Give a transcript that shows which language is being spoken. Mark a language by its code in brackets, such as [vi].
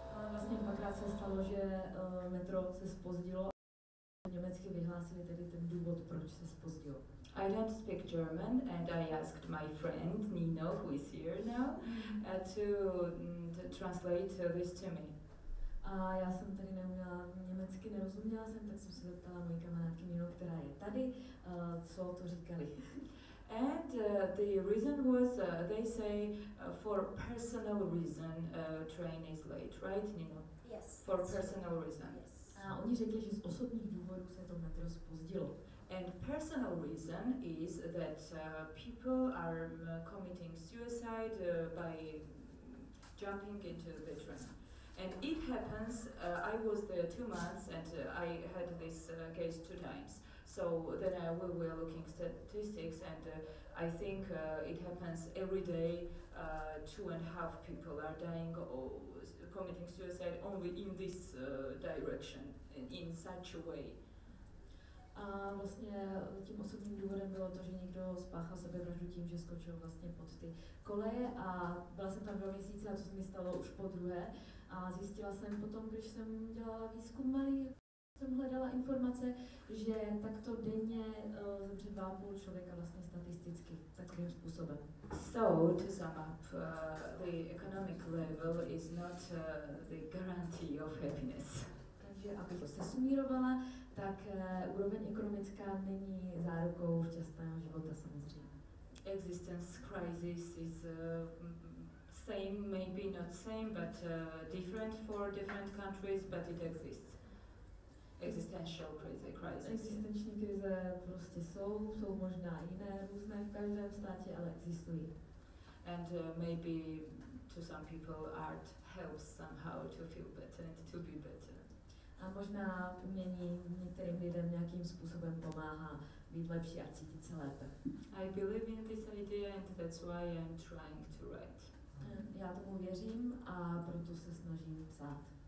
[cs] Vlastně dvakrát se stalo, že metro se zpozdilo. Německy vyhlásili tedy ten důvod, proč se zpozdilo. [en] I don't speak German, and I asked my friend Nino, who is here now, to translate this to me. [cs] A já jsem tady neměla německy, nerozuměla jsem, tak jsem se zeptala mojí kamarádky Nino, která je tady, co to říkali. [en] And the reason was, they say, for personal reason, train is late, right, Nino? Yes. For personal reason. Yes. [cs] A oni řekli, že z osobních důvodů se to metro zpozdilo. [en] And personal reason is that people are committing suicide by jumping into the train. And it happens, I was there 2 months and I had this case 2 times. So then we were looking statistics and I think it happens every day, 2.5 people are dying or committing suicide only in this direction, in such a way. [cs] A vlastně tím osobním důvodem bylo to, že někdo spáchal sebevraždu tím, že skočil vlastně pod ty koleje a byla jsem tam 2 měsíce a to se mi stalo už po druhé. A zjistila jsem potom, když jsem dělala výzkum malý, jsem hledala informace, že takto denně zemře 2,5 člověka vlastně statisticky takovým způsobem. [en] So, to sum up, the economic level is not the guarantee of happiness. [cs] Takže aby to sesumírovala, tak úroveň ekonomická není zárukou šťastného života samozřejmě. [en] Existence crisis is same, maybe not same, but different for different countries, but it exists. Existential crisis. [cs] Existenční krize prostě jsou možná jiné, různé v každém státě, ale existují. [en] And maybe to some people art helps somehow to feel better and to be better. [cs] A možná umění některým lidem nějakým způsobem pomáhá být lepší a cítit se lépe. [en] I believe in this idea and that's why I'm trying to write. [cs] Já tomu věřím a proto se snažím psát.